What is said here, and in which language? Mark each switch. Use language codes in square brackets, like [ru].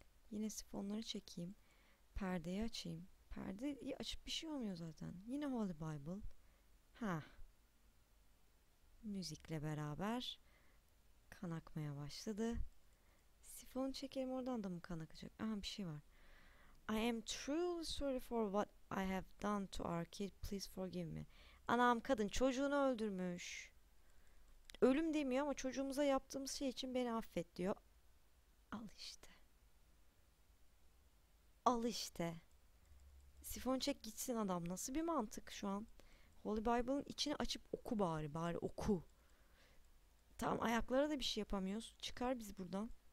[tr] Yine sifonları çekeyim. Perdeyi açayım. Perdeyi açıp bir şey olmuyor zaten. Yine Holy Bible. Ha. Müzikle beraber kan akmaya başladı. Sifonu çekelim oradan da mı kan akacak? Aha bir şey var. [en] I am truly sorry for what I have done to our kid. Please forgive me. [tr] Anam kadın çocuğunu öldürmüş. Ölüm demiyor ama çocuğumuza yaptığımız şey için beni affet diyor. Al işte. Al işte. Sifon çek gitsin adam. Nasıl bir mantık şu an? Holy Bible'ın içini açıp oku bari. Bari oku. Tamam ayaklara da bir şey yapamıyoruz. Çıkar bizi buradan.